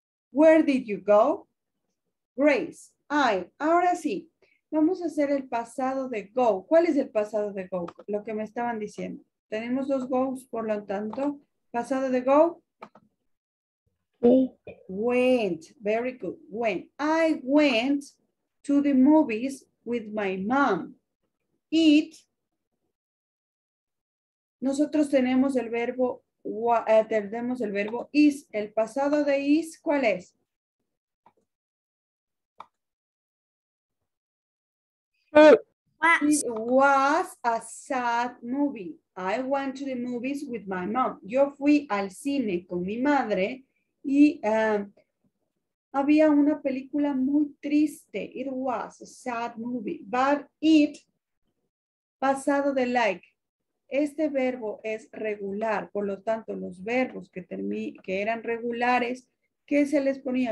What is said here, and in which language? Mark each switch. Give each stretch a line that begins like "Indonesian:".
English: Where did you go? Grace.
Spanish: Ay, ahora sí, vamos a hacer el pasado de go. ¿Cuál es el pasado de go? Lo que me estaban diciendo. Tenemos dos goes, por lo tanto, pasado de go.
English: Went, very good. Went. I went to the movies with my mom. It.
Spanish: Nosotros tenemos el verbo, tenemos el verbo is. El pasado de is, ¿cuál es?
English: It was a sad movie. I went to the movies with my mom.
Spanish: Yo fui al cine con mi madre y había una película muy triste.
English: It was a sad movie. But it,
Spanish: pasado de
English: like.
Spanish: Este verbo es regular. Por lo tanto, los verbos que eran regulares, ¿qué se les ponía?